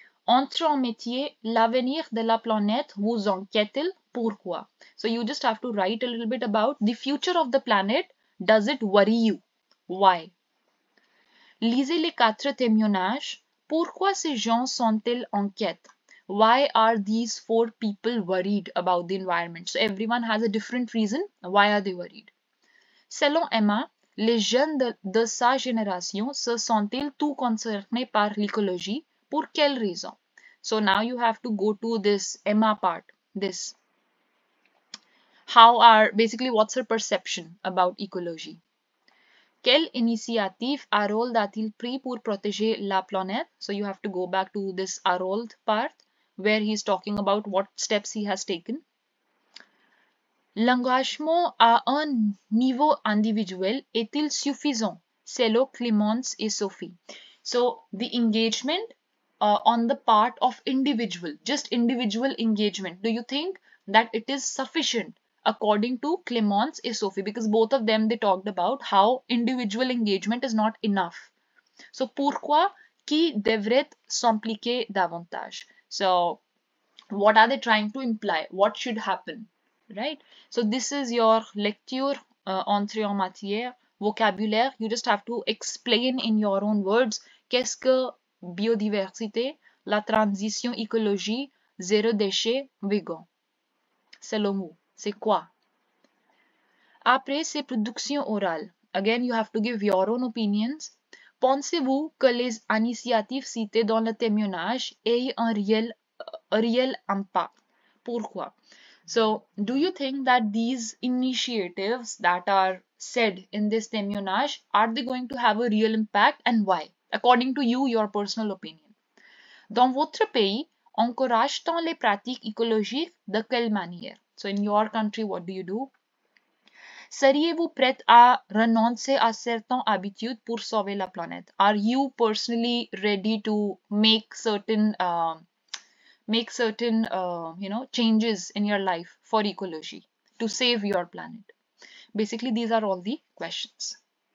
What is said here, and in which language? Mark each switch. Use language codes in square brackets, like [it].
[fr] Entre en métier, l'avenir de la planète vous inquiète-t-il? Pourquoi? [en] So you just have to write a little bit about the future of the planet. Does it worry you? Why? [fr] Lisez les quatre témoignages. Pourquoi ces gens sont-ils inquiets? [en] Why are these four people worried about the environment? So everyone has a different reason. Why are they worried? [fr] Selon Emma, les jeunes de sa génération se sont-ils tout concernés par l'écologie? Pour quelle raison? [en] So now you have to go to this Emma part. This. How are, basically what's her perception about ecology? [fr] Quelle initiative Harold a-t-il pris pour protéger la planète? [en] So you have to go back to this Harold part, where he is talking about what steps he has taken. [fr] L'engagement à un niveau individuel est-il suffisant? Selon Clémence et Sophie. [en] So, the engagement on the part of individual, just individual engagement. Do you think that it is sufficient according to Clémence et Sophie? Because both of them, they talked about how individual engagement is not enough. [fr] So, pourquoi qui devrait s'impliquer davantage? [en] So, what are they trying to imply? What should happen? Right? So, this is your lecture, [fr] entrée en matière, vocabulaire. [en] You just have to explain in your own words. [fr] Qu'est-ce que biodiversité, la transition écologie, zéro déchet, vegan? Selon vous, c'est quoi? Après ces productions orales, [en] Again, you have to give your own opinions. [fr] Pensez-vous que les initiatives citées dans le témoignage aient un réel impact? Pourquoi? [en] So, do you think that these initiatives that are said in this témoignage, are they going to have a real impact and why? According to you, your personal opinion. [fr] Dans votre pays, encourage-t-on les pratiques écologiques de quelle manière? [en] So, in your country, what do you do? [fr] Seriez-vous prête à renoncer à certaines habitudes pour sauver la planète? [en] Are you personally ready to make certain changes in your life for ecology to save your planet? Basically, these are all the questions.